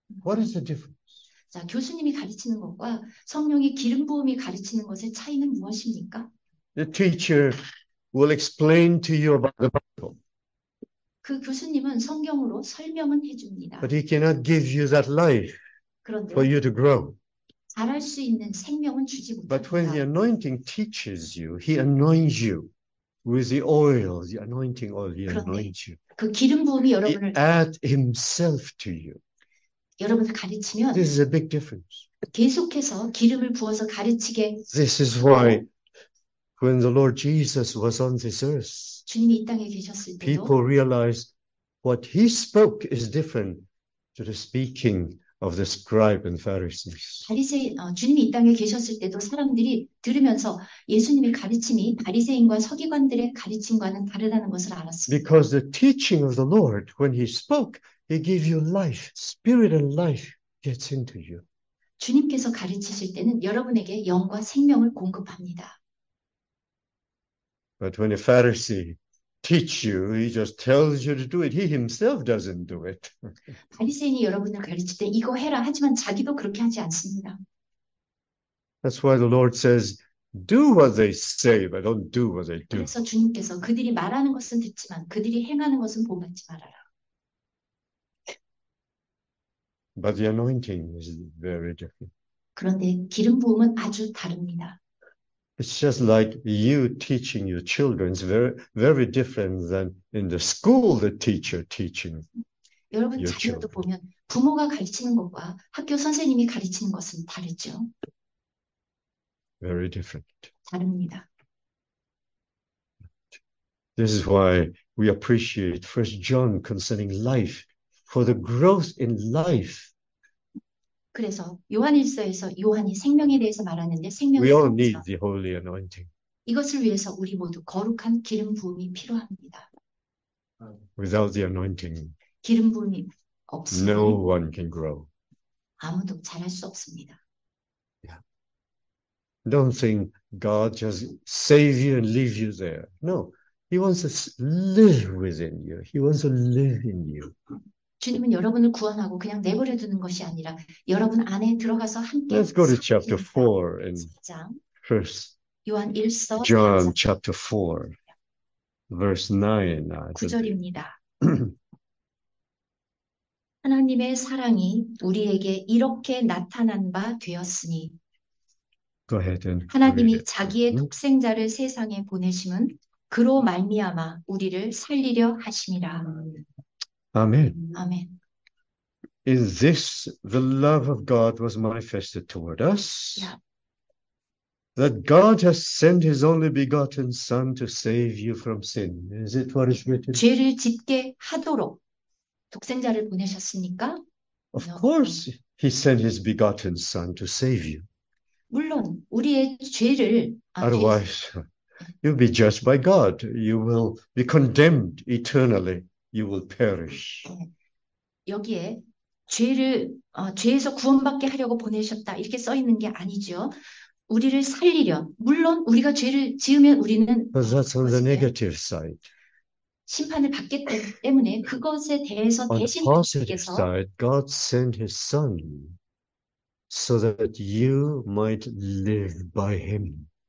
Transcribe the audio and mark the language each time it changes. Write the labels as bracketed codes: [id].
[en] What is the difference? [ko] 자, 교수님이 가르치는 것과 성령의 기름 부음이 가르치는 것의 차이는 무엇입니까? [en] The teacher will explain to you about the Bible. [ko] 그 교수님은 성경으로 설명은 해줍니다. [en] But he cannot give you that life for [ko] 그런데 [en] you to grow. [ko] 자랄 수 있는 생명은 주지 [en] But when the [ko] 못합니다. [en] anointing teaches you, he anoints you with the oil, the anointing oil, he [ko] 그런데 [en] anoints you. [ko] 그 기름 부음이 [en] He [ko] 여러분을 [en] adds himself to you. [ko] 여러분을 가르치면 [en] This is a big difference. [ko] 계속해서 기름을 부어서 가르치게 [en] This is why when the Lord Jesus was on this earth, [ko] 주님이 이 땅에 계셨을 때도 [en] people realized what he spoke is different to the speaking of the scribes and Pharisees. [ko] 주님이 이 땅에 계셨을 때도 사람들이 들으면서 예수님의 가르침이 바리새인과 서기관들의 가르침과는 다르다는 것을 알았습니다. [en] Because the teaching of the Lord, when he spoke, he gave you life, spirit and life gets into you. [ko] 주님께서 가르치실 때는 여러분에게 영과 생명을 공급합니다. [en] But when a Pharisee teach you, he just tells you to do it. He himself doesn't do it. [ko] 바리새인이 여러분을 가르칠 때 이거 해라 하지만 자기도 그렇게 하지 않습니다. [en] That's why the Lord says, do what they say, but don't do what they do. [ko] 그래서 주님께서 그들이 말하는 것은 듣지만 그들이 행하는 것은 본받지 말아라. [en] But the anointing is very different. [ko] 그런데 기름 부음은 아주 다릅니다. [en] It's just like you teaching your children is very, very different than in the school the teacher teaching [ko] 여러분 [en] your [ko] 자녀도 [en] children. [ko] 보면 부모가 가르치는 것과 학교 선생님이 가르치는 것은 다르죠? [en] Very different. [ko] 다릅니다. [en] This is why we appreciate 1 John concerning life, for the growth in life. [ko] 그래서 요한일서에서 요한이 생명에 대해서 말하는데 [en] We [ko] 생명의 [en] all [ko] 강처. [en] need the holy anointing. [ko] 이것을 위해서 우리 모두 거룩한 기름 부음이 필요합니다. [en] Without the anointing, [ko] 기름 부음이 없으면 [en] no one can grow. [ko] 아무도 잘할 수 없습니다. [en] Don't think God just save you and leave you there. No, He wants to live within you. He wants to live in you. [ko] 주님은 여러분을 구원하고 그냥 내버려 두는 것이 아니라 여러분 안에 들어가서 함께 [en] Let's go to chapter [ko] 성장합니다. [en] 4 in [ko] 4장 [en] First [ko] 요한 1서 [en] John [ko] 4장 [en] chapter 4, verse 9, I believe. [ko] 9절입니다. 하나님의 사랑이 우리에게 이렇게 나타난 바 되었으니, [en] Go ahead and [ko] 하나님이 [en] read it. [ko] 자기의 독생자를 세상에 보내심은 그로 말미암아 우리를 살리려 하심이라. 아멘. [en] Amen. In this, the love of God was manifested toward us, that God has sent his only begotten Son to save you from sin. Is it what is written? [ko] 죄를 짓게 하도록 독생자를 보내셨습니까? [en] Of No. course, he sent his begotten Son to save you. [ko] 물론 우리의 죄를 [en] Otherwise, you'll be judged by God. You will be condemned eternally. You will perish. [ko] 여기에 죄에서 구원받게 하려고 보내셨다 이렇게 써 있는 게 아니죠. 우리를 살리려. 물론 우리가 죄를 지으면 우리는 [en] But that's on the [ko] 어떻게 [en] negative side. [ko] 심판을 받기 때문에 그것에 대해서 [en] On the [ko] 대신 [en] positive [ko] 주님께서 [en] side, God sent His Son so that you might live by Him.